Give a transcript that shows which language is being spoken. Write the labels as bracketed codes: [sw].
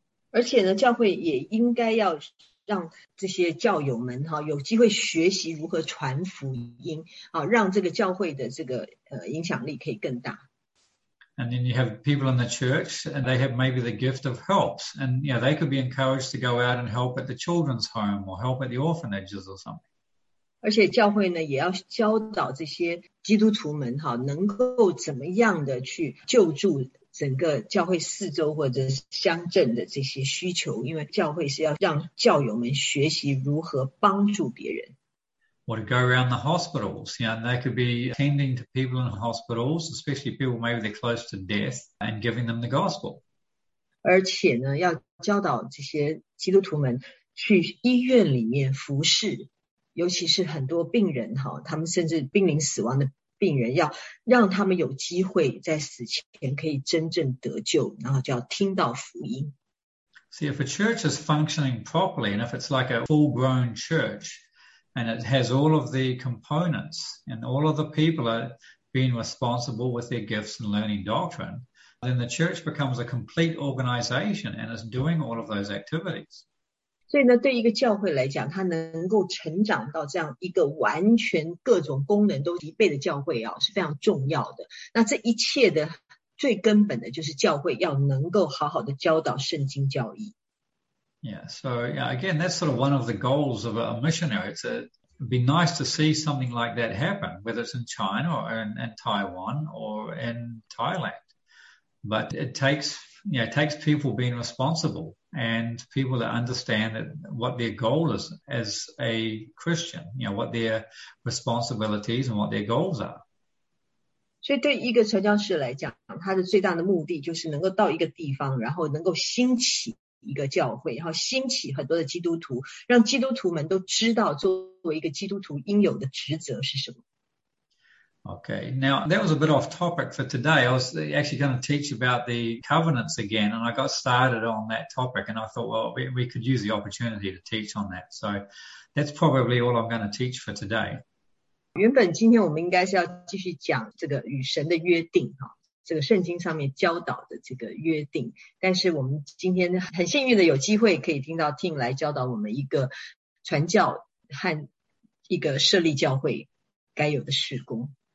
[zh] 而且呢，教会也应该要让这些教友们哈有机会学习如何传福音啊，让这个教会的这个影响力可以更大。 [en] And then you have people in the church, and they have maybe the gift of helps. And you know, they could be encouraged to go out and help at the children's home or help at the orphanages or something. [zh] 而且教会呢，也要教导这些基督徒们哈，能够怎么样的去救助整个教会四周或者乡镇的这些需求，因为教会是要让教友们学习如何帮助别人。 [en] Or to go around the hospitals, you know, they could be attending to people in hospitals, especially people maybe they're close to death, and giving them the gospel. [zh] 而且呢，要教导这些基督徒们去医院里面服侍，尤其是很多病人哈，他们甚至濒临死亡的病人，要让他们有机会在死前可以真正得救，然后就要听到福音。 [en] See, if a church is functioning properly, and if it's like a full-grown church,And it has all of the components, and all of the people are being responsible with their gifts and learning doctrine, then the church becomes a complete organization and is doing all of those activities. [zh] 所以呢，对一个教会来讲，它能够成长到这样一个完全各种功能都齐备的教会啊，是非常重要的。那这一切的最根本的就是教会要能够好好的教导圣经教义。 [en] Yeah, so yeah, again, that's sort of one of the goals of a missionary. It'd be nice to see something like that happen, whether it's in China or in Taiwan or in Thailand. But it takes people being responsible and people that understand that what their goal is as a Christian, you know, what their responsibilities and what their goals are. [zh] 所以对一个传教士来讲，他的最大的目的就是能够到一个地方，然后能够兴起一个教会，然后兴起很多的基督徒，让基督徒们都知道作为一个基督徒应有的职责是什么。 [en] Okay, now that was a bit off topic for today. I was actually going to teach about the covenants again, and I got started on that topic, and I thought, well, we could use the opportunity to teach on that. So that's probably all I'm going to teach for today. [zh] 原本今天我们应该是要继续讲这个与神的约定，这个圣经上面教导的这个约定，但是我们今天很幸运的有机会可以听到 Tim 来教导我们一个传教和一个设立教会该有的事工。